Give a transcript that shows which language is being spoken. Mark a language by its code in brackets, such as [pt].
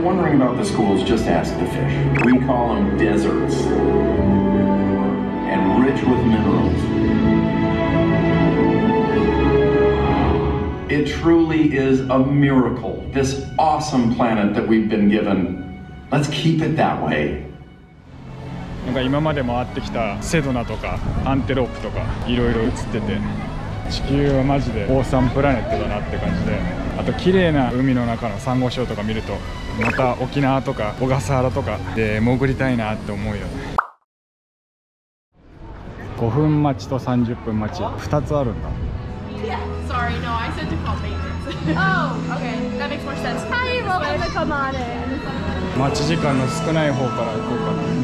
[en] About the schools, just ask the fish. We call them deserts and rich with minerals. It truly is a miracle, this awesome planet that we've been given. Let's keep it that way. [ja] なんか今まで回ってきたセドナとかアンテロープとかいろいろ映ってて、地球はマジでオーサムプラネットだなって感じで、あと綺麗な海の中のサンゴ礁とか見ると、また沖縄とか小笠原とかで潜りたいなって思うよね。 5分待ちと30分待ち、2つあるんだ。 [en] Sorry, no, I said to call maintenance. Oh, okay, that makes more sense. Hi, welcome to come on in. [ja] 待ち時間の少ない方から行こうかな。